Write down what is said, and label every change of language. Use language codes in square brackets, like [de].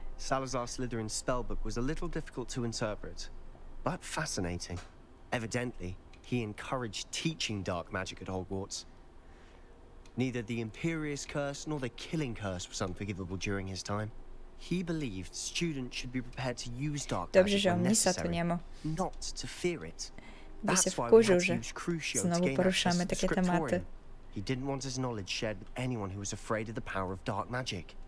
[en] Salazar Slytherin's spellbook was a little difficult to interpret, but fascinating. Evidently, he encouraged teaching dark magic at Hogwarts. Neither the Imperius curse nor the killing curse was unforgivable during his time. He believed students should be prepared to use dark magic when necessary, not to fear it. [pl] By się wkurzył, że znowu poruszamy takie tematy. [en] He didn't want his knowledge shared with anyone who was afraid of the power of dark magic.